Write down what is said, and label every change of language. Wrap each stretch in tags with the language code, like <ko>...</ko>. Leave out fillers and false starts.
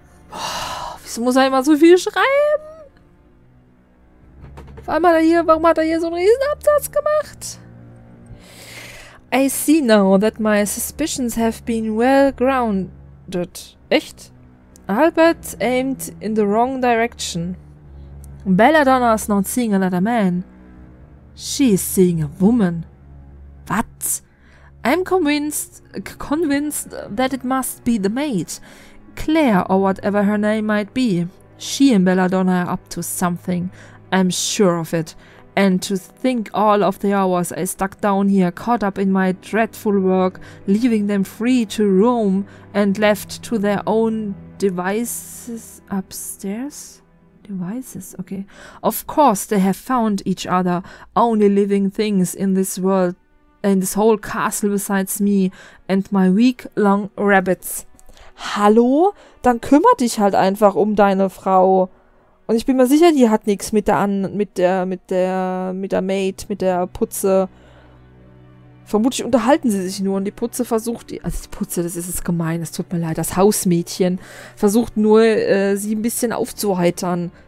<de>Boah, wieso muss er immer so viel schreiben? Warum hat er hier so einen Riesenabsatz gemacht?</de> <en>I see now that my suspicions have been well grounded.</en> <de>Echt?</de> <en>Albert aimed in the wrong direction. Belladonna is not seeing another man. She is seeing a woman. What? I'm convinced that it must be the maid. Claire, or whatever her name might be. She and Belladonna are up to something. I'm sure of it. And to think all of the hours I stuck down here, caught up in my dreadful work, leaving them free to roam and left to their own devices upstairs? Devices, okay. Of course they have found each other, only living things in this world, in this whole castle besides me and my week-long rabbits.</en> <de>Hallo? Dann kümmere dich halt einfach um deine Frau. Und ich bin mir sicher, die hat nichts mit der An mit der Maid, mit der Putze. Vermutlich unterhalten sie sich nur und die Putze versucht, also die Putze, das ist es gemein, es tut mir leid, das Hausmädchen versucht nur, sie ein bisschen aufzuheitern.</de>